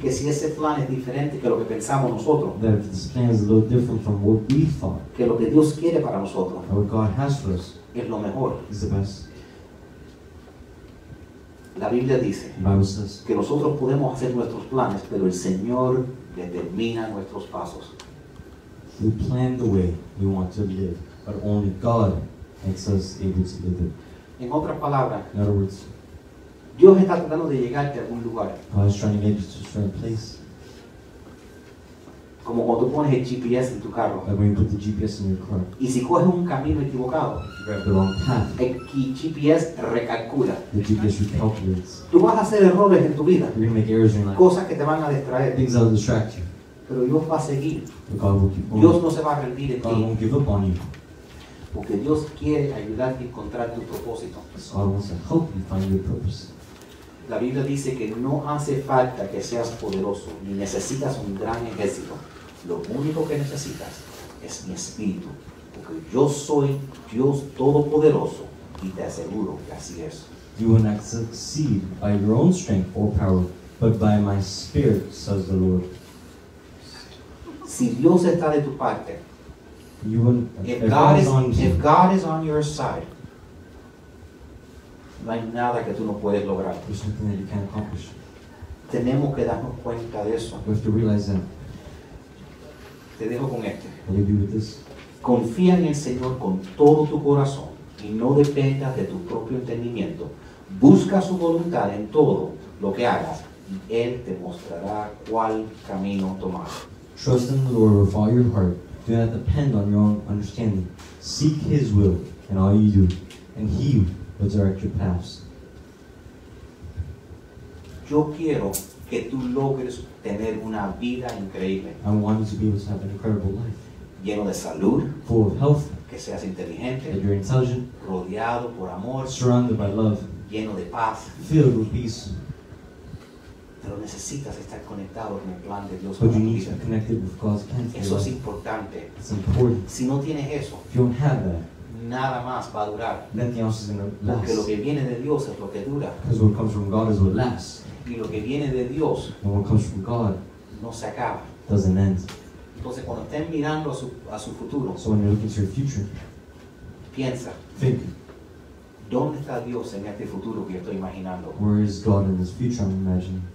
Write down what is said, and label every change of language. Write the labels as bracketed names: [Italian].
[Spanish] Que si ese plan es diferente que lo que pensamos nosotros. [English] That if this plan is a little different from what we thought. [Spanish] Que lo que Dios quiere para nosotros. [English] And what God has for us. [Spanish] Es lo mejor. [English] Is the best. [Spanish] La Biblia dice que nosotros podemos hacer nuestros planes, pero el Señor determina nuestros pasos. [English] We plan the way we want to live, but only God makes us able to live it. [Spanish] En otras palabras, [English] in other words, [Spanish] Dios está tratando de llegarte a algún lugar. [English] God is trying to make you to a certain place. [Spanish] Como cuando tú pones el GPS en tu carro. [English] Like when you put the GPS in your car. [Spanish] Y si coges un camino equivocado. [English] The GPS recalculates. [Spanish] Tú vas a hacer errores en tu vida. [English] You're going to make errors in your life. [Spanish] Cosas que te van a distraer. [English] Things that will distract you. [Spanish] Pero Dios va a seguir. [English] But God will keep on. [Spanish] Dios no se va a rendir en [English] ti. God won't give up on you. [Spanish] Porque Dios quiere ayudarte a encontrar tu propósito. [English] So God wants to help you find your purpose. [Spanish] La Biblia dice que no hace falta que seas poderoso, ni necesitas un gran ejército. Lo único que necesitas es mi espíritu, porque yo soy Dios todopoderoso y te aseguro que así es. [English] You will not succeed by your own strength or power, but by my spirit, says the Lord. [Spanish] Si Dios está de tu parte, [English] you will, if God is on your side, [Spanish] no hay nada que tú no puedes lograr. [English] There's something that you can't accomplish. [Spanish] Tenemos que darnos cuenta de eso. [English] We have to realize that. [Spanish] Te dejo con este. [English] What do you do with this? [Spanish] Confía en el Señor con todo tu corazón y no dependas de tu propio entendimiento. Busca su voluntad en todo lo que hagas y Él te mostrará cuál camino tomar. [English] Trust in the Lord with all your heart. Do not depend on your own understanding. Seek His will in all you do, and He will direct your paths. [Spanish] Yo quiero que tú logres tener una vida increíble. [English] I want you to be able to have an incredible life. [Spanish] Lleno de salud. [English] Full of health. [Spanish] Que seas inteligente. [English] That you're intelligent. [Spanish] Rodeado por amor. [English] Surrounded by love. [Spanish] Lleno de paz. [English] Filled with peace. [Spanish] Pero necesitas estar conectado con el plan de Dios. [English] But you need to be connected with God's plan. [Spanish] Eso es importante. [English] It's important. [Spanish] Si no tienes eso. [English] If you don't have that. [Spanish] Nada más va a durar. [English] Nothing else is going to last. [Spanish] Porque lo que viene de Dios es lo que dura. [English] Because what comes from God is what lasts. [Spanish] Y lo que viene de Dios. [English] And what comes from God. [Spanish] No se acaba. [English] Doesn't end. [Spanish] Entonces, cuando estén mirando a su futuro, [English] so when you're looking to your future, [Spanish] piensa, [English] think, [Spanish] ¿dónde está Dios en este futuro que estoy imaginando? [English] Where is God in this future I'm imagining?